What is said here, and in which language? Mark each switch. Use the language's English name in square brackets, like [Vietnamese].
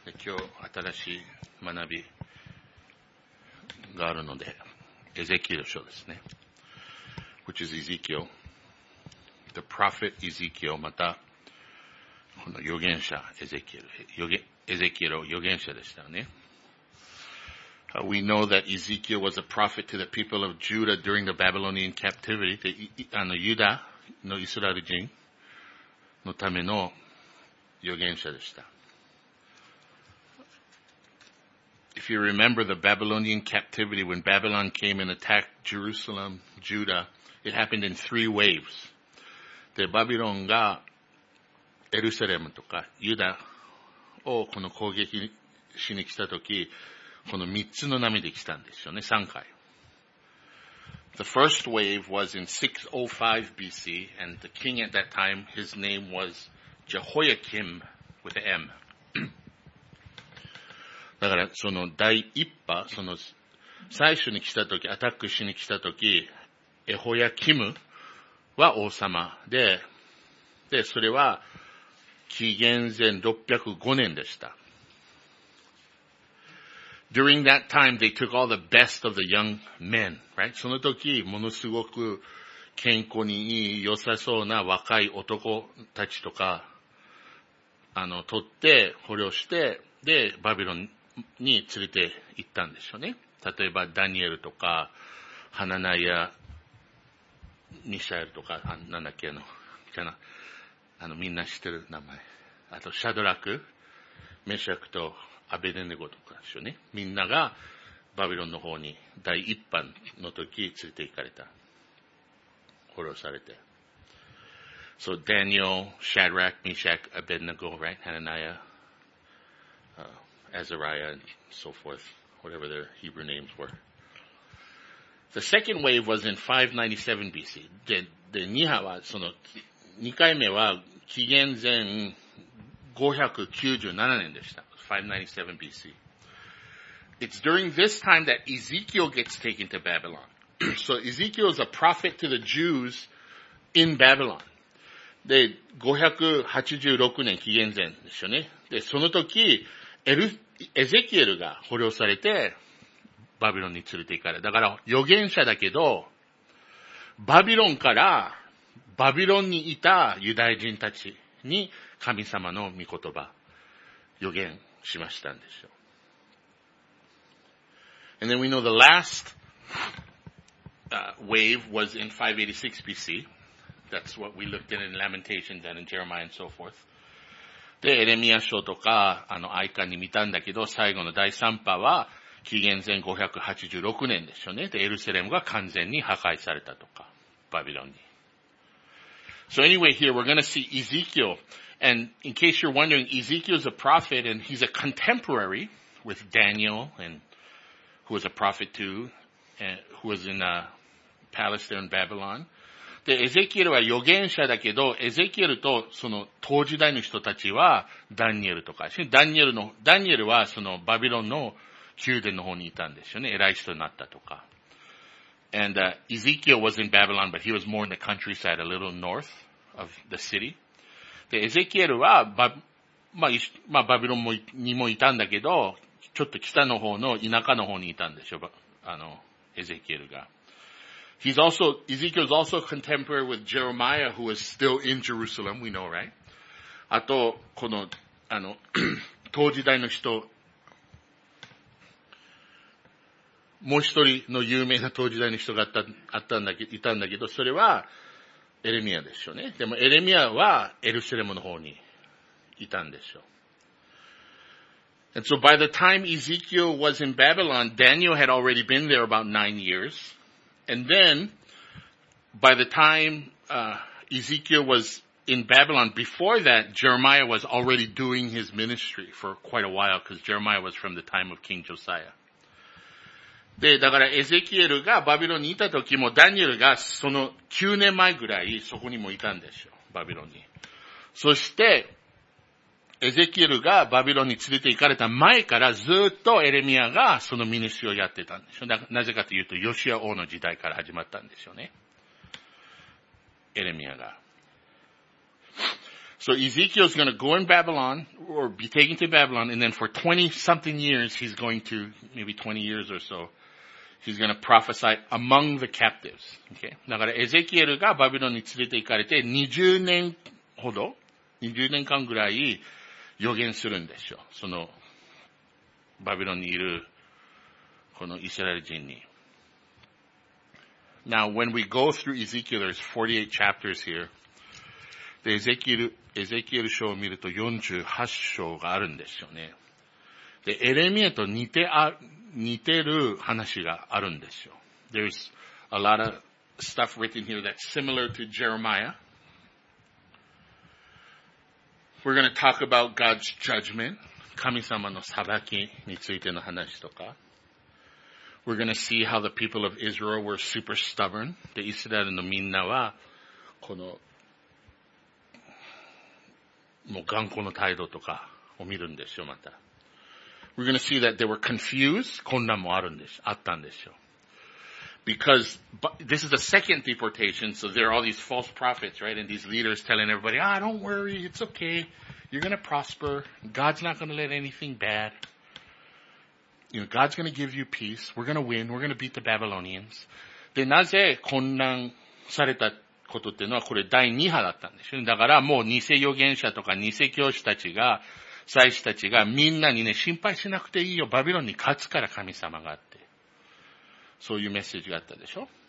[Japanese] 今日新しい学びがあるので、エゼキエル書ですね。 [English] Which is Ezekiel, the prophet Ezekiel, [Japanese] またこの預言者エゼキエル、エゼキエル預言者でしたね。 [English] We know that Ezekiel was a prophet to the people of Judah during the Babylonian captivity. [Japanese] ユダのイスラエル人のための預言者でした。 [English] If you remember the Babylonian captivity, when Babylon came and attacked Jerusalem, Judah, it happened in three waves. [Japanese] で、バビロンがエルサレムとかユダをこの攻撃しに来たとき、この三つの波で来たんですよね、三回。 [English] The first wave was in 605 BC, and the king at that time, his name was Jehoiakim with an M. [Japanese] だから、その第一波、その最初に来たとき、アタックしに来たとき、エホヤキムは王様で、で、それは紀元前605年でした。 [English] During that time, they took all the best of the young men, right? [Japanese] その時、ものすごく健康にいい、良さそうな若い男たちとか、取って、捕虜して、で、バビロンに連れて行ったんでしょうね。例えば、ダニエルとか、ハナナイア、ミシャエルとか、なんだっけ、みんな知ってる名前。あと、シャドラク、メシャクと、アベデネゴとかですよね。みんながバビロンの方に第一班の時連れて行かれた。殺されて。 [English] So Daniel, Shadrach, Meshach, Abednego, right? Hananiah, Azariah, and so forth. Whatever their Hebrew names were. The second wave was in 597 BC. [Japanese] で、2波は、その、2回目は紀元前597年でした。 [English] 597 BC. It's during this time that Ezekiel gets taken to Babylon. So Ezekiel is a prophet to the Jews in Babylon. [Japanese] で、586年紀元前でしょうね。で、その時、エゼキエルが捕虜されて、バビロンに連れて行かれ。だから、預言者だけど、バビロンから、バビロンにいたユダヤ人たちに、神様の御言葉、預言、しましたんでしょう。 [English] And then we know the last, wave was in 586 BC. That's what we looked at in Lamentations and in Jeremiah and so forth. [Japanese] で、エレミア書とか、愛歌に見たんだけど、最後の第三波は、紀元前586年でしょうね。で、エルサレムが完全に破壊されたとか、バビロンに。 [English] So anyway, here we're gonna see Ezekiel. And in case you're wondering, Ezekiel is a prophet and he's a contemporary with Daniel and who was a prophet too, and who was in a palace there in Babylon. [Japanese] で、エゼキエルは預言者だけど、エゼキエルとその当時代の人たちはダニエルとか、ダニエルはそのバビロンの宮殿の方にいたんですよね。偉い人になったとか。 [English] And, Ezekiel was in Babylon, but he was more in the countryside, a little north of the city. [Japanese] で、エゼキエルは、バビロンもにもいたんだけど、ちょっと北の方の田舎の方にいたんでしょ、エゼキエルが。 [English] He's also, Ezekiel's also contemporary with Jeremiah, who is still in Jerusalem, we know, right? [Japanese] あと、この、当時代の人、もう一人の有名な当時代の人がいたんだけど、それは、エレミアでしょうね。でもエレミアはエルサレムの方にいたんでしょう。 [English] And so by the time Ezekiel was in Babylon, Daniel had already been there about 9 years. And then, by the time, Ezekiel was in Babylon, before that, Jeremiah was already doing his ministry for quite a while, because Jeremiah was from the time of King Josiah. [Japanese] で、だから、エゼキエルがバビロンにいた時も、ダニエルがその9年前ぐらいそこにもいたんですよ、バビロンに。そして、エゼキエルがバビロンに連れて行かれた前からずっとエレミアがそのミニシをやってたんですよ。なぜかというと、ヨシア王の時代から始まったんですよね。エレミアが。 [English] So Ezekiel is going to go in Babylon or be taken to Babylon, and then for 20-something years, he's going to, maybe 20 years or so, he's going to prophesy among the captives. Okay? [Japanese] だから、エゼキエルがバビロンに連れて行かれて20年ほど、20年間ぐらい予言するんでしょう。その、バビロンにいる、このイスラエル人に。 [English] Now, when we go through Ezekiel, there's 48 chapters here. [Japanese] で、エゼキエル書を見ると48章があるんですよね。で、エレミエと似てる話があるんですよ。 [English] There's a lot of stuff written here that's similar to Jeremiah. We're going to talk about God's judgment. [Japanese] 神様の裁きについての話とか。 [English] We're going to see how the people of Israel were super stubborn. [Japanese] で、イスラエルのみんなは、この、もう頑固の態度とかを見るんですよ、また。 [English] We're going to see that they were confused. [Japanese] 混乱もあるんです、あったんですよ。 [English] Because, this is the second deportation, so there are all these false prophets, right? And these leaders telling everybody, ah, don't worry, it's okay. You're going to prosper. God's not going to let anything bad. You know, God's going to give you peace. We're going to win. We're going to beat the Babylonians. [Japanese] で、なぜ混乱されたことっていうのはこれ第2波だったんですよ。だからもう偽預言者とか偽教師たちが、祭司たちがみんなにね、心配しなくていいよ。バビロンに勝つから神様があって。そういうメッセージがあったでしょ。